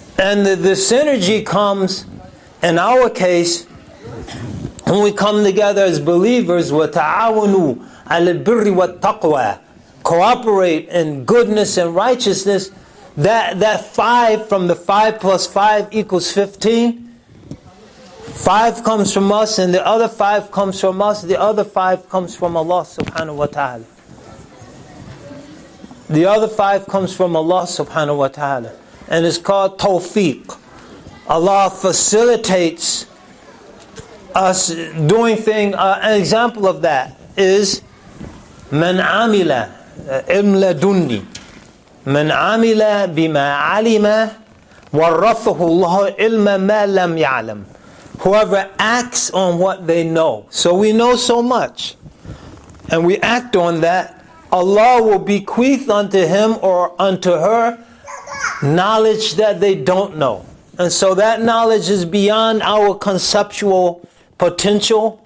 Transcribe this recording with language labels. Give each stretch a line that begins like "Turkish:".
English: And the synergy comes, in our case, when we come together as believers,
Arabic: وَتَعَاوَنُوا عَلَى الْبِرِّ وَالتَّقْوَى,
English: cooperate in goodness and righteousness, that five from the 5 plus 5 equals 15, 5 comes from us and the other 5 comes from us, the other 5 comes from Allah subhanahu wa ta'ala. The other 5 comes from Allah subhanahu wa ta'ala. And it's called tawfiq. Allah facilitates us doing things. An example of that is
Arabic: من عمل إم لدني من عمل بما علم ورثه الله علم ما لم يعلم.
English: Whoever acts on what they know. So we know so much, and we act on that. Allah will bequeath unto him or unto her knowledge that they don't know. And so that knowledge is beyond our conceptual potential.